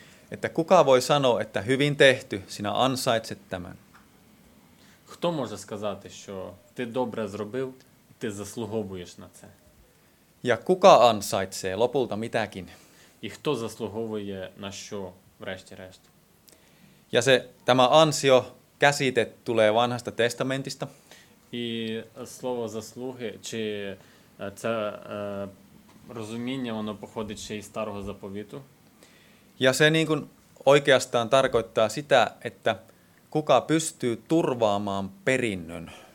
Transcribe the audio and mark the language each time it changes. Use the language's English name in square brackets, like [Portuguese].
[Finnish] Että kuka voi sanoa, että hyvin tehty, sinä ansaitset tämän? [Ukrainian] Хто може сказати, що ти добре зробив, ти заслуговуєш на це? [Finnish] Ja kuka ansaitsee lopulta mitäkin? [Ukrainian] І хто заслуговує на що врешті-решт? [Finnish] Ja se, tämä ansio käsite tulee Vanhasta testamentista. [Ukrainian] І слово заслуги, чи це розуміння, воно походить ще із Старого Заповіту? [Finnish] Ja se niin kuin oikeastaan tarkoittaa sitä, että kuka pystyy turvaamaan perinnön.